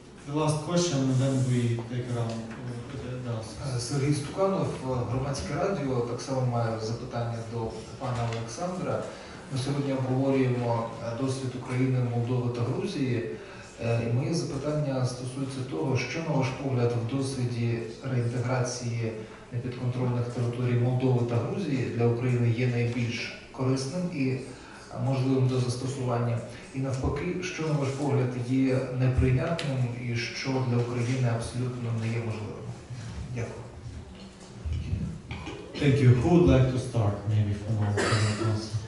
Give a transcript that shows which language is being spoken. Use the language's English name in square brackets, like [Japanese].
[English] The last question, and then we take around the desk. [Ukrainian] Сергій Стуканов, Громадське радіо. Так само маю запитання до пана Олександра. Ми сьогодні обговорюємо досвід України, Молдови та Грузії. І моє запитання стосується того, що, на ваш погляд, в досвіді реінтеграції непідконтрольних територій Молдови та Грузії для України є найбільш корисним і можливим до застосування? І навпаки, що, на ваш погляд, є неприйнятним і що для України абсолютно не є можливим? Дякую. [English] Thank you. Who would like to start, maybe, from our panel?